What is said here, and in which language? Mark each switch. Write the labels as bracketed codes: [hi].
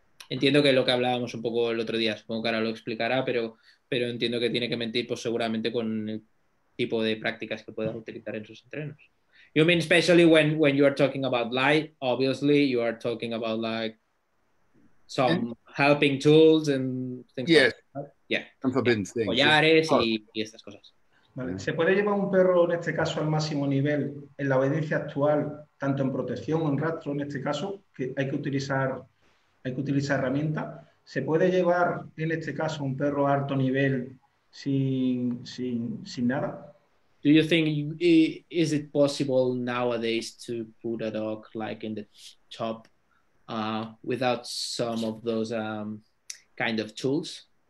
[es] Entiendo que lo que hablábamos un poco el otro día, supongo que ahora lo explicará, pero entiendo que tiene que mentir, pues seguramente con el tipo de prácticas que pueda utilizar en sus entrenos. [en] You mean especially when you are talking about light, obviously you are talking about like some helping tools and things. Yes. Like that. Yeah. Things, [es] collares, yeah. Y estas cosas. Vale. ¿Se puede llevar un perro en este caso al máximo nivel en la obediencia actual, tanto en protección o en rastro en este caso, que hay que utilizar herramientas? ¿Se puede llevar en este caso un perro a alto nivel sin nada? [en] Do you think, is it possible nowadays to put a dog like in the top without some of those kind of tools?